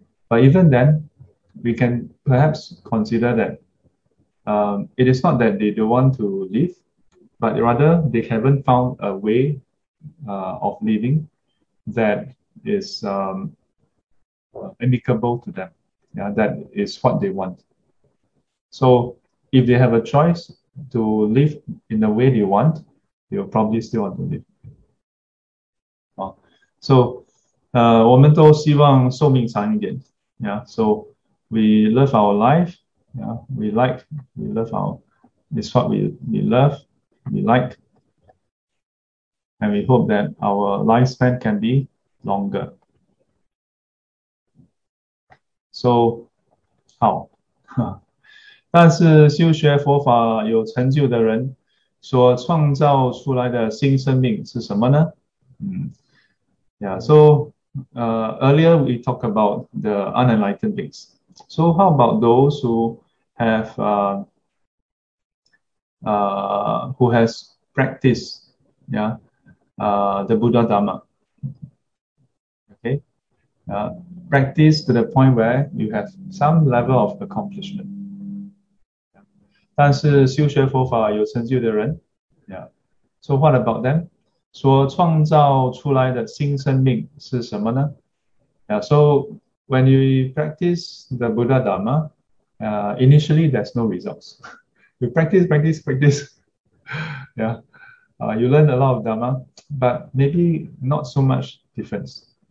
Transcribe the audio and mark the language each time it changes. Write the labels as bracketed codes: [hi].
[en] But even then, we can perhaps consider that it is not that they don't want to live, but rather they haven't found a way of living that is amicable to them. Yeah, that is what they want. So if they have a choice to live in the way they want, you'll probably still want to live. [zh] So, 我们都希望寿命长一点. [en] Yeah, so we love our life. Yeah, we love our, it's what we love, we like. And we hope that our lifespan can be longer. [zh] So, 好. 但是修学佛法有成就的人所创造出来的新生命是什么呢？ [en] Earlier we talk about the unenlightened beings. So how about those who have who has practiced the Buddha Dharma? Practice to the point where you have some level of accomplishment. [zh] 但是修学佛法有成就的人 [en] Yeah. So what about them? [zh] 所创造出来的新生命是什么呢? [en] Yeah, so when you practice the Buddha Dharma, initially there's no results. You practice, practice, practice. Yeah. You learn a lot of Dharma, but maybe not so much difference.